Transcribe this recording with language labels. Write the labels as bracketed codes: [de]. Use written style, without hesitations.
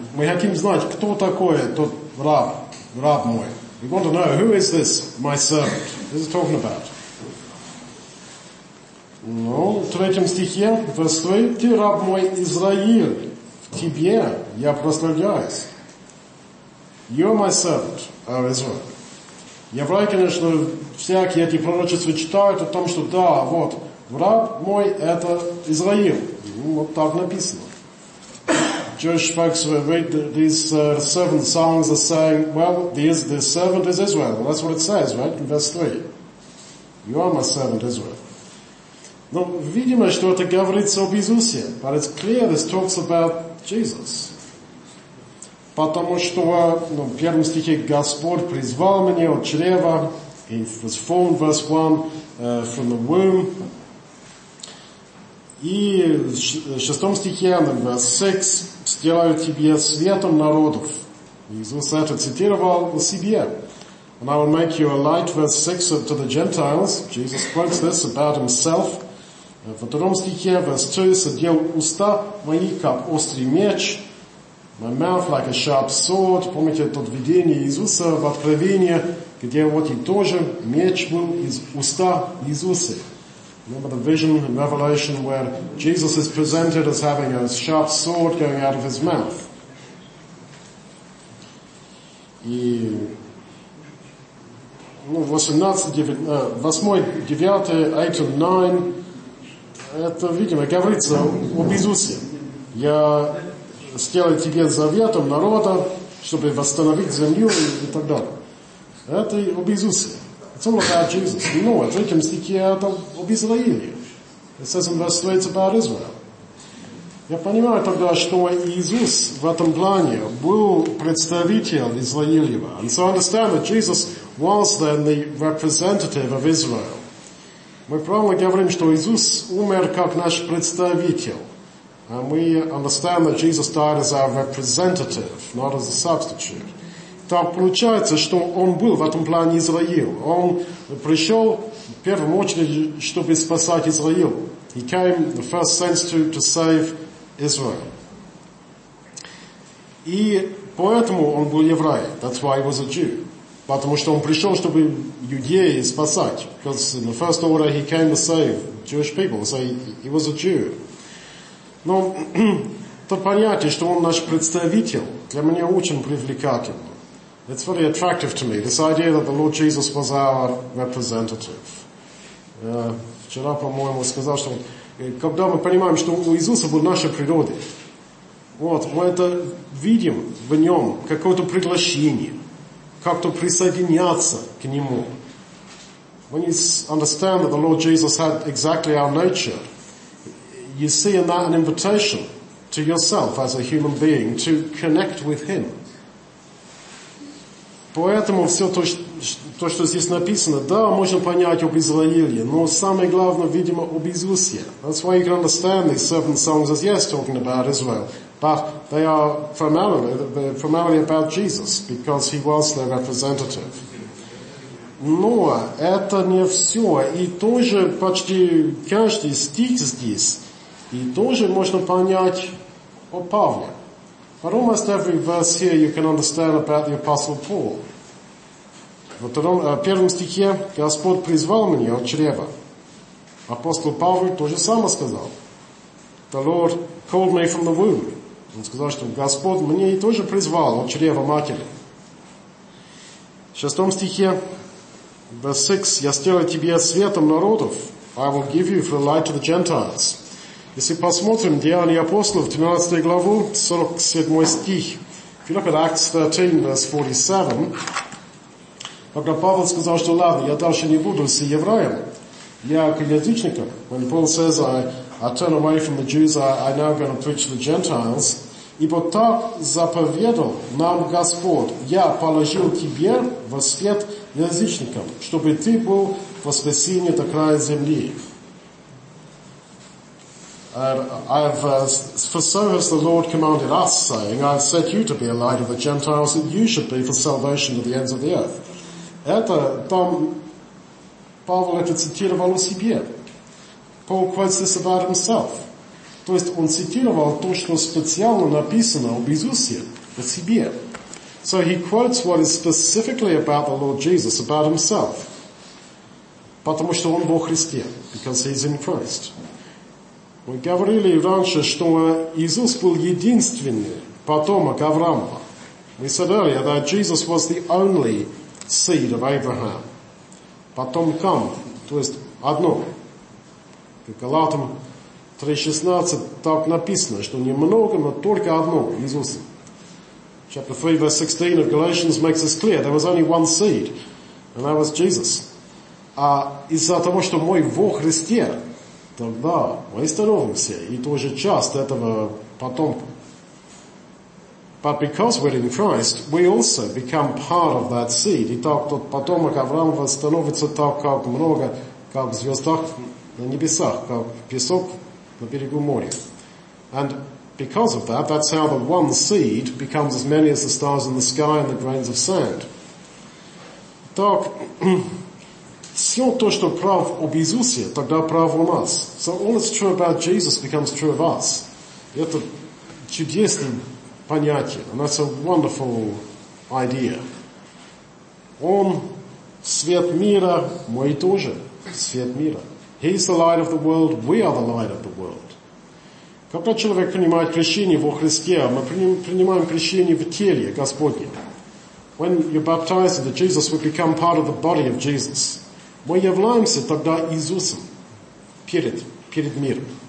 [ru] Мы хотим знать, кто такой тот раб, раб мой. [en] We want to know, who is this, my servant? What is it talking about? [ru] Ну, в третьем стихе, [en] verse 3, [ru] ты раб мой Израиль, в тебе я прославляюсь. [en] You are my servant, O Israel. [ru] Я в рай, конечно, всякие эти пророчества читают о том, что да, вот, раб мой это Израиль. Вот так написано. [en] Jewish folks who read these servant songs are saying, well, the servant is Israel. Well, that's what it says, right? In verse 3. You are my servant Israel. [ru] Но видимо, что это говорится об Иисусе. [en] But it's clear this talks about Jesus. [ru] Потому что ну, в первом стихе Господь призвал меня от чрева. [en] He was formed, verse 1, from the womb. [ru] И в шестом стихе, [en] verse 6, [ru] «Сделаю тебе светом народов». Иисус это цитировал о себе. [en] «And I will make you a light, verse 6, to the Gentiles». Jesus quotes this about himself. [ru] В втором стихе, [en] verse 2, [ru] «Садил уста мои, как острый меч». [en] «My mouth like a sharp sword». [ru] Помните тот видение Иисуса в Откровении, где вот и тоже меч был из уста Иисуса. [en] Remember the vision in Revelation where Jesus is presented as having a sharp sword going out of his mouth. [ru] И, ну, 8, 9, 8, 9, [en] 8 and 9, [ru] это, видимо, говорится об Иисусе. Я сделаю тебе заветом народа, чтобы восстановить землю и так далее. Это об Иисусе. [en] It's all about Jesus. We know it. It says in verse 3, it's about Israel. [ru] Я понимаю тогда, что Иисус в этом плане был представителем Израилева. [en] And so I understand that Jesus was then the representative of Israel. [ru] Мы правильно говорим, что Иисус умер как наш представитель. [en] And we understand that Jesus died as our representative, not as a substitute. [ru] Так получается, что он был в этом плане Израил. Он пришел в первую очередь, чтобы спасать Израил. [en] He came in the first sense to save Israel. [ru] И поэтому он был еврей. [en] That's why he was a Jew. [ru] Потому что он пришел, чтобы иудеи спасать. [en] Because in the first order he came to save Jewish people. So he was a Jew. [ru] Но то понятие, что он наш представитель, для меня очень привлекательно. [en] It's very attractive to me, this idea that the Lord Jesus was our representative. [ru] Вчера, по-моему, сказал, что когда мы понимаем, что у Иисуса была наша природа, вот, мы это видим в нем, какое-то приглашение, как-то присоединяться к нему. [en] When you understand that the Lord Jesus had exactly our nature, you see in that an invitation to yourself as a human being to connect with him. [ru] Поэтому все то, что здесь написано, да, можно понять об Израиле, но самое главное, видимо, об Иисусе. [en] That's why you can understand these seven songs as yes, talking about Israel. But they are primarily about Jesus, because he was their representative. [ru] Но это не все. И тоже почти каждый стих здесь, и тоже можно понять о Павле. [en] But almost every verse here you can understand about the Apostle Paul. [ru] В первом стихе Господь призвал меня от чрева. Апостол Павел тоже самое сказал. [en] The Lord called me from the womb. [ru] Он сказал, что Господь мне и тоже призвал от чрева матери. В шестом стихе, [en] verse 6, [ru] я сделаю тебе светом народов. [en] I will give you for the light to the Gentiles. [ru] Если посмотрим Деяния апостолов, 13 главу, 47 стих. [en] If you look at Acts 13, verse 47, [ru] когда Павел сказал, что ладно, я дальше не буду с евреем, я к язычникам. [en] When Paul says, I turn away from the Jews, I now going to preach to the Gentiles. [ru] Ибо так заповедал нам Господь, я положил тебе во свет язычникам, чтобы ты был во спасении до края земли. [en] For so has the Lord commanded us, saying, I have set you to be a light of the Gentiles, that you should be for salvation to the ends of the earth. [ru] Это там Павел это цитировал о себе. [en] Paul quotes this about himself. [ru] То есть он цитировал то, что специально написано об Иисусе, о себе. [en] So he quotes what is specifically about the Lord Jesus, about himself. [ru] Потому что он был христиан, [en] because he's in Christ. [ru] Мы говорили раньше, что Иисус был единственный потомок Авраама. [en] We said earlier that Jesus was the only seed of Abraham. [ru] Потомком, то есть одно. Галатам 3.16 так написано, что немного, но только одно, Иисус. [en] Chapter 3, verse 16 of Galatians makes this clear. There was only one seed, and that was Jesus. [ru] А из-за того, что мы во Христе, тогда мы становимся и тоже часть этого потомка. [en] But because we're in Christ, we also become part of that seed. [ru] И так тот потомок Авраама становится так, как много, как звездах на небесах, как песок на берегу моря. [en] And because of that, that's how the one seed becomes as many as the stars in the sky and the grains of sand. [ru] Так, все то, что прав об Иисусе, тогда прав у нас. [en] So all that's true about Jesus becomes true of us. [ru] Это чудесное понятие. [en] And that's a wonderful idea. [ru] Он свет мира, мы тоже свет мира. [en] He is the light of the world, we are the light of the world. [ru] Когда человек принимает крещение во Христе, мы принимаем крещение в теле Господне. [en] When you're baptized into Jesus, we become part of the body of Jesus. [ru] Мы являемся тогда Иисусом перед миром.